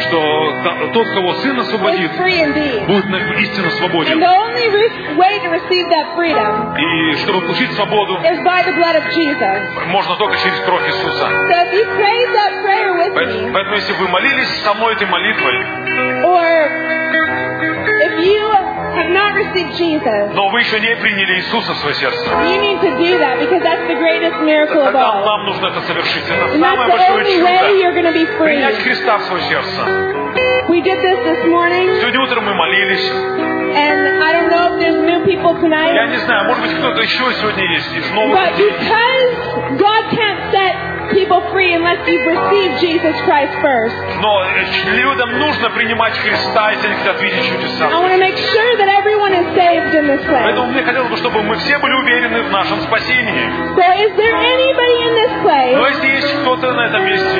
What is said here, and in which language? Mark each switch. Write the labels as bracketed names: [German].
[Russian] что тот, кого Сын освободит, будет истинно свободен. [English] And the only way to receive that freedom, [Russian] и чтобы получить свободу, [English] is by the blood of Jesus. [Russian] Можно только через кровь Иисуса. [English] So if you prayed that prayer with me, [Russian] поэтому если вы молились со мной этой молитвой, [English] or if you have not received Jesus, [Russian] но вы еще не приняли Иисуса в свое сердце, [English] you need to do that because that's the greatest miracle of all. [Russian] Нам нужно это совершить. Это [English] and [Russian] самое большое чудо. [English] That's the only way you're going to be free. [Russian] Принять Христа в свое сердце. [English] We did this this morning. [Russian] Сегодня утром мы молились. [English] And I don't know if there's new people tonight. [Russian] Я не знаю, может быть кто-то еще сегодня есть из новых. [English] But because God can't set people free unless you've received Jesus Christ first. [Russian] Но людям нужно принимать Христа, если они хотят видеть чудеса. [English] I want to make sure that everyone is saved in this place. [Russian] Поэтому мне хотелось бы, чтобы мы все были уверены в нашем спасении. [English] So is there anybody in this place? [Russian] Но если есть кто-то на этом месте,